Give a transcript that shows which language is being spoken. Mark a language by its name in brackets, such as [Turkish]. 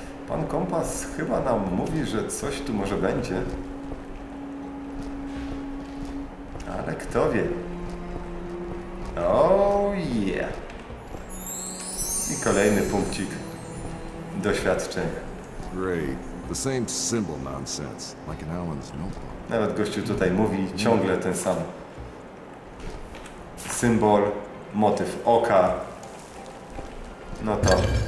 [Polish] Pan kompas chyba nam mówi, że coś tu może będzie. Ale kto wie? [English] Oh yeah. [Polish] I kolejny punkcik doświadczenia. [English] Great. The same symbol nonsense, like in Alan's notebook. [Polish] Nawet gościu tutaj mówi ciągle ten sam symbol, motyw oka. No to...